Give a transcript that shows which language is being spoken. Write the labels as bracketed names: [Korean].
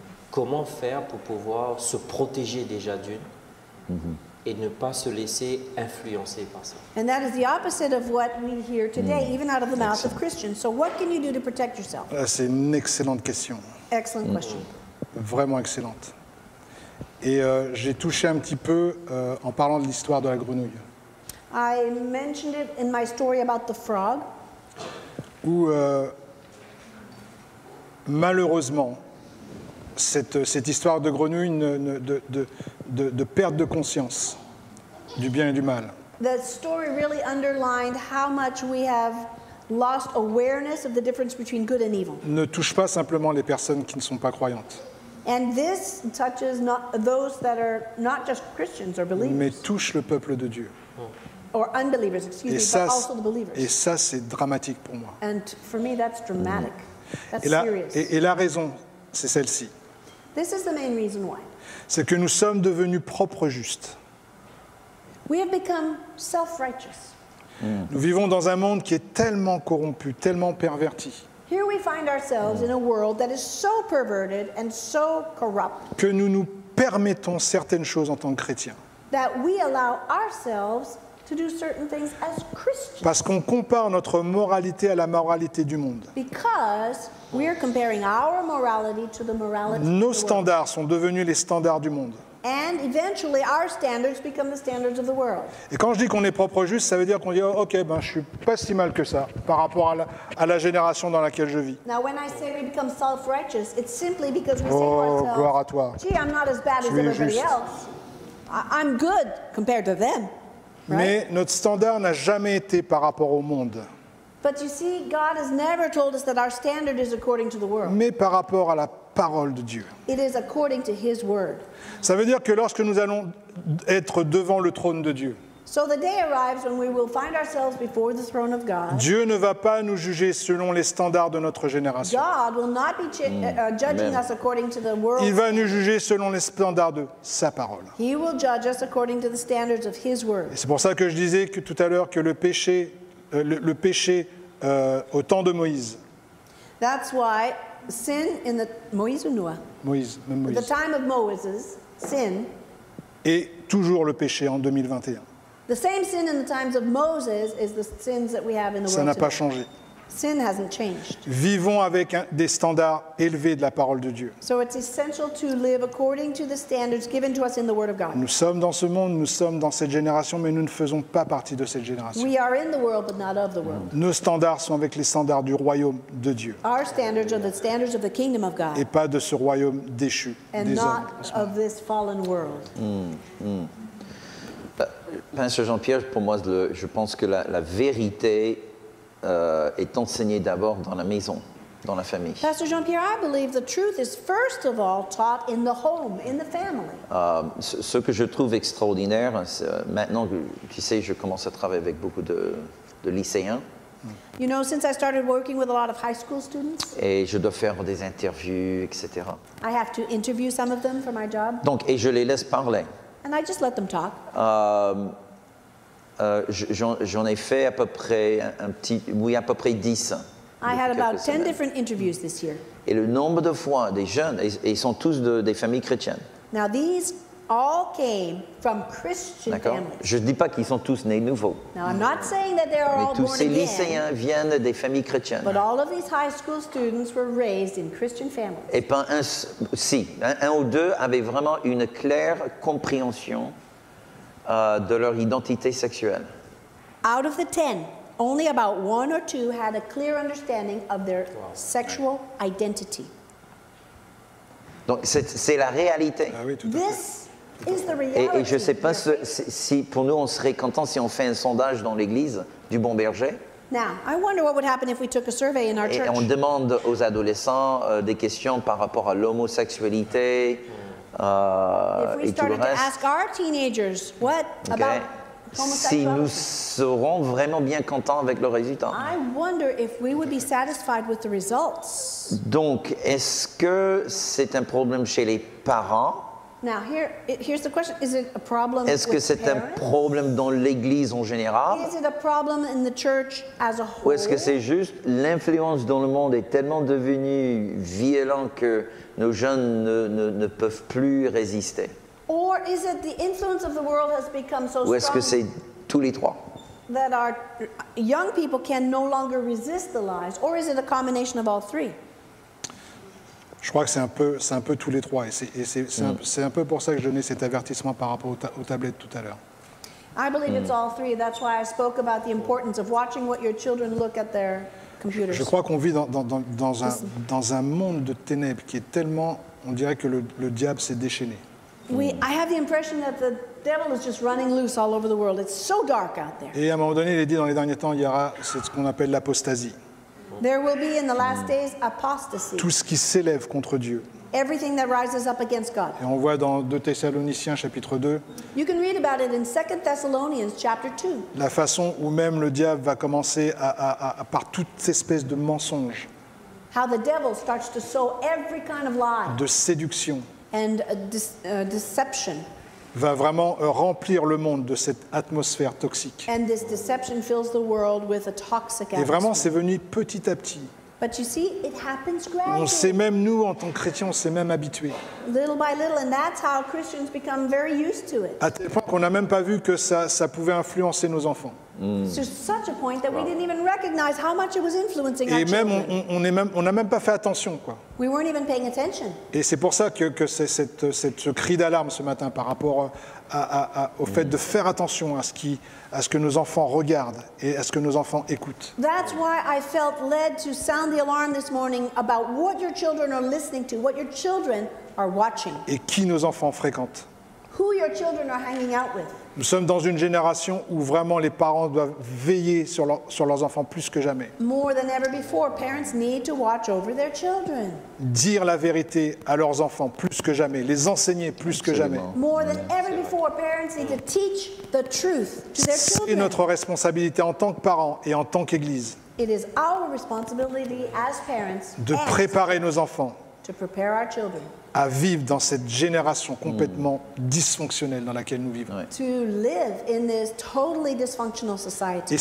[French] Comment faire pour pouvoir se protéger déjà d'une et ne pas se laisser influencer par ça? [English] And that is the opposite of what we hear today, even out of the mouth of Christians. So what can you do to protect yourself? [French] C'est une excellente question. [English] Excellent question. [French] Vraiment excellente. Et j'ai touché un petit peu en parlant de l'histoire de la grenouille. [English] I mentioned it in my story about the frog. [French] Où malheureusement, cette histoire de grenouille, de perte de conscience du bien et du mal. [English] The story really underlined how much we have lost awareness of the difference between good and evil. [French] Ne touche pas simplement les personnes qui ne sont pas croyantes. [English] And this touches not those that are not just Christians or believers. [French] Mais touche le peuple de Dieu. [English] Or unbelievers, but also the believers. [French] Et ça, c'est dramatique pour moi. [English] And for me, that's dramatic. That's serious. [French] Et la raison, c'est celle-ci. [English] This is the main reason why. [French] C'est que nous sommes devenus propres justes. [English] We have become self-righteous. [French] Nous vivons dans un monde qui est tellement corrompu, tellement perverti. [English] Here we find ourselves in a world that is so perverted and so corrupt. [French] Que nous nous permettons certaines choses en tant que chrétiens. [English] That we allow ourselves to do certain things as Christians. [French] Parce qu'on compare notre moralité à la moralité du monde. [English] Because we are comparing our morality to the morality of the world. [French] Nos standards sont devenus les standards du monde. [English] And eventually our standards become the standards of the world. [French] Et quand je dis qu'on est propre juste, ça veut dire qu'on dit oh, OK, ben je suis pas si mal que ça par rapport à la génération dans laquelle je vis. [English] Now when I say we become self-righteous, it's simply because we say to ourselves, [French] gloire à toi. [English] Gee, I'm not as bad [French] tu [English] as everybody else. I'm good compared to them. [French] Mais [English] right? [French] Notre standard n'a jamais été par rapport au monde. [English] But you see, God has never told us that our standard is according to the world. [French] Mais par rapport à la parole de Dieu. [English] It is according to his word. [French] Ça veut dire que lorsque nous allons être devant le trône de Dieu. [English] So the day arrives when we will find ourselves before the throne of God. [French] Dieu ne va pas nous juger selon les standards de notre génération. [English] God will not be judging us according to the world. [French] Il va nous juger selon les standards de sa parole. [English] He will judge us according to the standards of his word. [French] Et c'est pour ça que je disais que tout à l'heure que le péché au temps de Moïse. [English] That's why sin in the [French] Moïse ou Noah? Moïse, même Moïse. [English] The time of Moses, sin. [French] Et toujours le péché en 2021. [English] The same sin in the times of Moses is the sins that we have in the [French] Ça [English] world today. [French] Pas changé. [English] Sin hasn't changed. [French] Vivons avec des standards élevés de la parole de Dieu. [English] So it's essential to live according to the standards given to us in the word of God. [French] Nous sommes dans ce monde, nous sommes dans cette génération, mais nous ne faisons pas partie de cette génération. [English] We are in the world, but not of the world. [French] Nos standards sont avec les standards du royaume de Dieu. [English] Our standards are the standards of the kingdom of God. [French] Et pas de ce royaume déchu des hommes. [English] And not of this fallen world. [French] Pasteur Jean-Pierre, pour moi, je pense que la vérité est enseignée d'abord dans la maison, dans la famille. [English] Pasteur Jean-Pierre, I believe the truth is first of all taught in the home, in the family. [French] Ce que je trouve extraordinaire, c'est maintenant, tu sais, je commence à travailler avec beaucoup de lycéens. [English] You know, since I started working with a lot of high school students. [French] Et je dois faire des interviews, etc. [English] I have to interview some of them for my job. [French] Donc, et je les laisse parler. [English] And I just let them talk. [French] J'en ai fait à peu près à peu près 10. [English] I had about 10 different interviews this year. [French] Et le nombre de fois des jeunes, ils sont tous des familles chrétiennes. [English] Now these all came from Christian [French] D'accord. [English] families. [French] Je ne dis pas qu'ils sont tous nés nouveaux. [English] Now I'm not saying that they're all born again. [French] Mais tous ces lycéens viennent des familles chrétiennes. [English] But all of these high school students were raised in Christian families. [French] Et pas un, si, un ou deux avaient vraiment une claire compréhension de leur identité sexuelle. [English] Out of the 10, only about one or two had a clear understanding of their sexual identity. [French] Donc, c'est la réalité. Ah oui, tout [English] This [French] à fait. [English] Is the reality. [French] Et je ne sais pas si pour nous, on serait content si on fait un sondage dans l'église du Bon Berger. [English] Now, I wonder what would happen if we took a survey in our church. [French] Et on demande aux adolescents des questions par rapport à l'homosexualité et tout le reste. [English] If we started to ask our teenagers what okay. about homosexuality. [French] Si nous serons vraiment bien contents avec le résultat. [English] I wonder if we would be satisfied with the results. [French] Donc, est-ce que c'est un problème chez les parents? [English] Now, here's the question. Is it a problem [French] Est-ce que c'est [English] parents? [French] Un problème dans l'Église en général? [English] Is it a problem in the church as a whole? [French] Ou est-ce que c'est juste l'influence dans le monde est tellement devenue violente que nos jeunes ne peuvent plus résister? [English] Or is it the influence of the world has become so strong? [French] Ou est-ce que c'est tous les trois? [English] That our young people can no longer resist the lies? Or is it a combination of all three? [French] Je crois que c'est un peu tous les trois. C'est un peu pour ça que je donnais cet avertissement par rapport aux tablettes tout à l'heure. [English] I believe it's all three. That's why I spoke about the importance of watching what your children look at their computers. [French] Je crois qu'on vit dans un monde de ténèbres qui est tellement, on dirait que le diable s'est déchaîné. [English] I have the impression that the devil is just running loose all over the world. It's so dark out there. [French] Et à un moment donné, il est dit dans les derniers temps, c'est ce qu'on appelle l'apostasie. [English] There will be in the last days apostasy. [French] Tout ce qui s'élève contre Dieu. [English] Everything that rises up against God. [French] Et on voit dans 2 Thessaloniciens chapitre 2. [English] You can read about it in 2 Thessalonians chapter 2. [French] La façon où même le diable va commencer à par toute espèce de mensonge. [English] How the devil starts to sow every kind of lie. [French] De séduction. [English] And deception. [French] Va vraiment remplir le monde de cette atmosphère toxique. [English] And this deception fills the world with a toxic [French] Et vraiment, c'est venu petit à petit. [English] But you see, it happens gradually. [French] On sait même, nous, en tant que chrétiens, on s'est même habitués. [English] Little by little, and that's how Christians become very used to it. [French] À tel point qu'on n'a même pas vu que ça pouvait influencer nos enfants. Et même, on n'a même pas fait attention, quoi. [English] We weren't even paying attention. [French] Et c'est pour ça que c'est ce cri d'alarme ce matin par rapport au fait de faire attention à ce que nos enfants regardent et à ce que nos enfants écoutent. [English] That's why I felt led to sound the alarm this morning about what your children are listening to, what your children are watching. [French] Et qui nos enfants fréquentent. [English] who your children are hanging out with. [French] Nous sommes dans une génération où vraiment les parents doivent veiller sur leurs enfants plus que jamais. [English] More than ever before, parents need to watch over their children. [French] Dire la vérité à leurs enfants plus que jamais, les enseigner plus Absolument. Que jamais. [English] More than ever before, parents need to teach the truth to their children. [French] C'est notre responsabilité en tant que parents et en tant qu'église. [English] It is our responsibility as parents [French] de préparer nos enfants [English] to prepare our children. [French] À vivre dans cette génération complètement dysfonctionnelle dans laquelle nous vivons. [English] To live in this totally dysfunctional society.